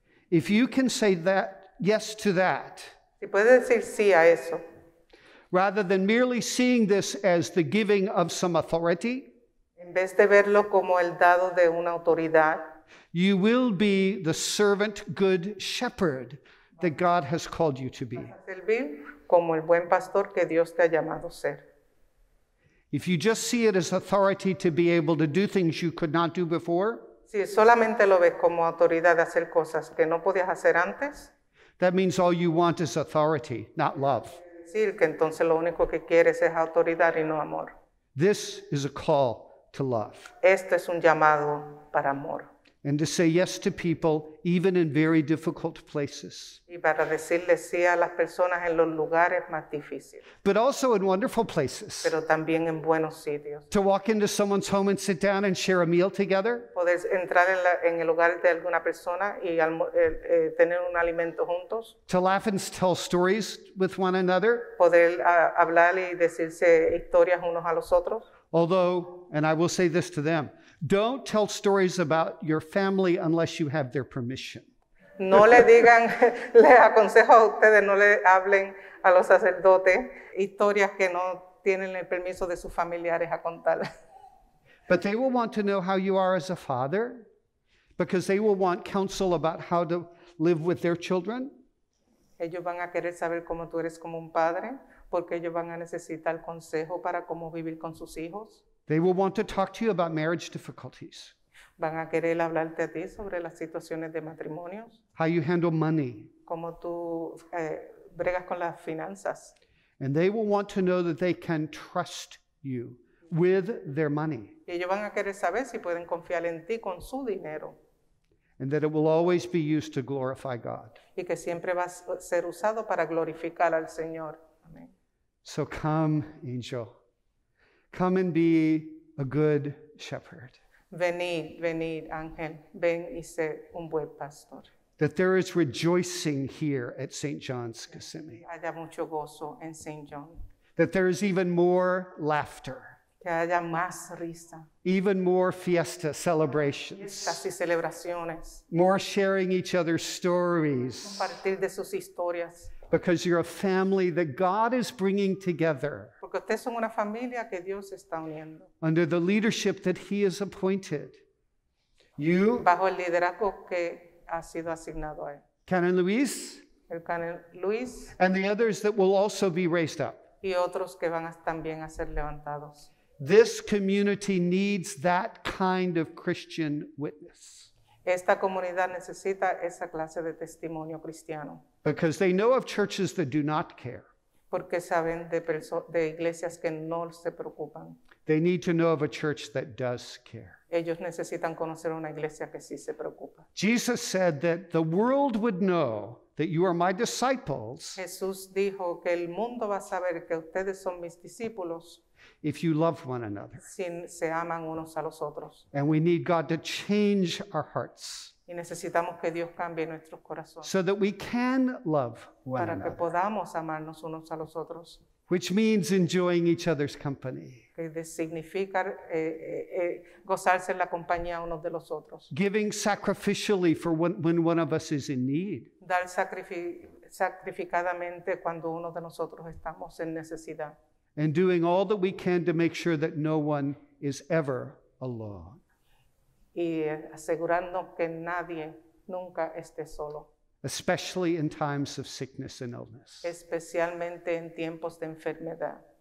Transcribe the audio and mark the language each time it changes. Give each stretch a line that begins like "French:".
English: If you can say that, yes to that,
Spanish: si puedes decir sí a eso,
English: rather than merely seeing this as the giving of some authority,
Spanish: en vez de verlo como el dado de una autoridad,
English: you will be the servant good shepherd that God has called you to be.
Spanish: Servir como el buen pastor que Dios te ha llamado ser.
English: If you just see it as authority to be able to do things you could not do before,
Spanish: si solamente lo ves como autoridad de hacer cosas que no podías hacer antes,
English: that means all you want is authority, not love.
Spanish: Decir que entonces lo único que quieres es autoridad y no amor.
English: This is a call to love.
Spanish: Esto es un llamado para amor.
English: And to say yes to people, even in very difficult places.
Spanish: Y para decirle sí a las personas en los lugares más difíciles.
English: But also in wonderful places.
Spanish: Pero también en buenos sitios.
English: To walk into someone's home and sit down and share a meal together.
Spanish: Poder entrar en, en el hogar de alguna persona y tener un alimento juntos.
English: To laugh and tell stories with one another.
Spanish: Poder hablar y decirse historias unos a los otros.
English: Although, and I will say this to them, don't tell stories about your family unless you have their permission.
Spanish: No le digan, les aconsejo a ustedes, no le hablen a los sacerdotes historias que no tienen el permiso de sus familiares a contar.
English: But they will want to know how you are as a father, because they will want counsel about how to live with their children.
Spanish: Ellos van a querer saber cómo tú eres como un padre, porque ellos van a necesitar consejo para cómo vivir con sus hijos.
English: They will want to talk to you about marriage difficulties.
Spanish: Van a querer hablarte a ti sobre las situaciones de matrimonios.
English: How you handle money.
Spanish: Cómo tú bregas con las finanzas.
English: And they will want to know that they can trust you with their money.
Spanish: Y ellos van a querer saber si pueden confiar en ti con su dinero.
English: And that it will always be used to glorify God.
Spanish: Y que siempre va a ser usado para glorificar al Señor. Amén.
English: So come, angel. Come and be a good shepherd.
Spanish: Venid, venid, Ángel. Ven y sé un buen pastor.
English: That there is rejoicing here at St. John's Kissimmee.
Spanish: Haya mucho gozo en St. John.
English: That there is even more laughter.
Spanish: Que haya más risa.
English: Even more fiesta celebrations.
Spanish: Fiestas y celebraciones.
English: More sharing each other's stories.
Spanish: Compartir de sus historias.
English: Because you're a family that God is bringing together.
Spanish: Porque ustedes son una familia que Dios está uniendo.
English: Under the leadership that He has appointed. You.
Spanish: Bajo el liderazgo que ha sido asignado a él.
English: Canon Luis.
Spanish: El Canon Luis.
English: And the others that will also be raised up.
Spanish: Y otros que van también a ser levantados.
English: This community needs that kind of Christian witness.
Spanish: Esta comunidad necesita esa clase de testimonio cristiano.
English: Because they know of churches that do not care.
Spanish: Porque saben de iglesias que no se preocupan.
English: They need to know of a church that does care.
Spanish: Ellos necesitan conocer una iglesia que sí se preocupa.
English: Jesus said that the world would know that you are my disciples.
Spanish: Jesús dijo que el mundo va a saber que ustedes son mis discípulos.
English: If you love one another.
Spanish: Si se aman unos a los otros.
English: And we need God to change our hearts.
Spanish: Y necesitamos que Dios cambie nuestros corazones.
English: So that we can love one another.
Spanish: Para que podamos amarnos unos a los otros.
English: Which means enjoying each other's company.
Spanish: Que significa gozarse en la compañía unos de los otros.
English: Giving sacrificially for when one of us is in need.
Spanish: Dar sacrificadamente cuando uno de nosotros estamos en necesidad.
English: And doing all that we can to make sure that no one is ever alone.
Spanish: Y asegurando que nadie nunca esté solo.
English: Especially in times of sickness and illness.
Spanish: Especialmente en tiempos de enfermedad.